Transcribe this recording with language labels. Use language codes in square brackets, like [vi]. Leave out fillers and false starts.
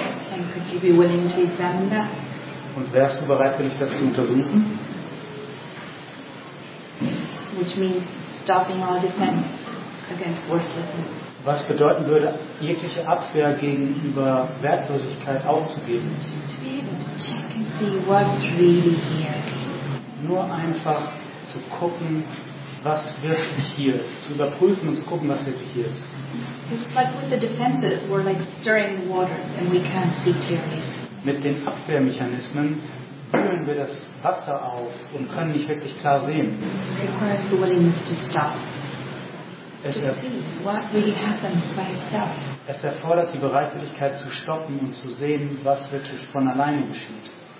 [en] And could you be willing to examine that? [de] Und wärst du bereit, will ich das zu untersuchen? [en] Which means stopping all defense against worthlessness. [de] Was bedeuten würde, jegliche Abwehr gegenüber Wertlosigkeit aufzugeben? [en] Just to be able to check and see what's really here. [de] Nur einfach zu gucken, was wirklich hier ist. Zu überprüfen und zu gucken, was wirklich hier ist. [en] It's like with the defenses, we're like stirring the waters and we can't see clearly. [de] Mit den Abwehrmechanismen wühlen wir das Wasser auf und können nicht wirklich klar sehen. [en] It requires the willingness to stop. [de] Es erfordert die Bereitwilligkeit zu stoppen und zu sehen, was wirklich von alleine geschieht.